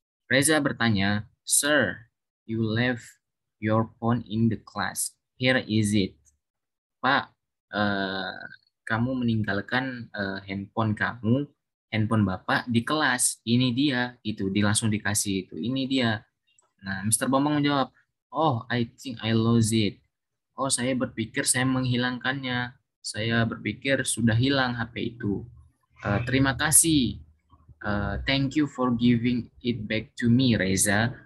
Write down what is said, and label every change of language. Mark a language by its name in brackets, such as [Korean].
[English] Reza [Indonesian] bertanya, [English] sir, you left your phone in the class. Here is it. [Indonesian] Pak, kamu meninggalkan handphone kamu, handphone bapak di kelas. Ini dia, itu langsung dikasih itu. Ini dia. Nah, Mr. [English] Bambang [Indonesian] menjawab, [English] oh, I think I lost it. [Indonesian] Oh, saya berpikir saya menghilangkannya. Saya berpikir sudah hilang HP itu. Terima kasih. [English] Thank you for giving it back to me, Reza.